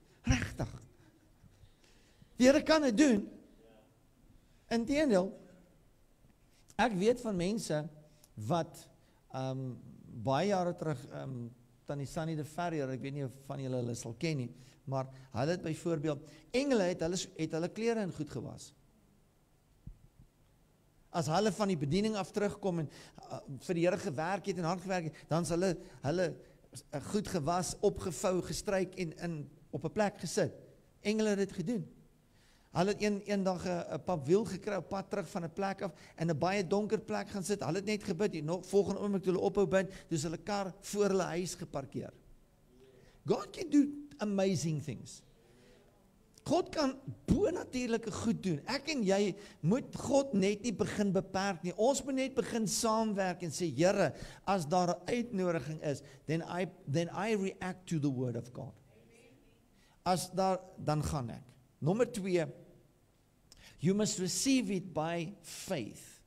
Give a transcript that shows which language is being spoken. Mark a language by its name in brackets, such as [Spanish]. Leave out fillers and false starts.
[Afrikaans] Regtig. Die Here kan het doen. Inteendeel, ek weet van mense wat baie jare terug, Tannie Sunny de Ferrier, ek weet nie van julle hulle sal ken nie, maar hulle het byvoorbeeld, engele het hulle klere in goed gewas. As hulle van die bediening af terugkom en vir die Here gewerk het en hard gewerk het, dan is hulle goed gewas, opgevou, gestryk en op 'n plek gesit. Engele het dit gedoen. Hulle het een dag een pap wiel gekry, pad terug van een plek af, en een baie donker plek gaan sit, hulle het net gebid, die volgende oomblik toe hulle ophou bid, dus hulle kar voor hulle huis geparkeer. [English] God can do amazing things. [Afrikaans] God kan bonatuurlike goed doen. Ek en jy moet God net nie begin beperk nie, ons moet net begin saamwerk en sê, Here, as daar 'n uitnodiging is, [English] then I react to the word of God. [Afrikaans] As daar, dan gaan ek. Nommer 2, [English] you must receive it by faith.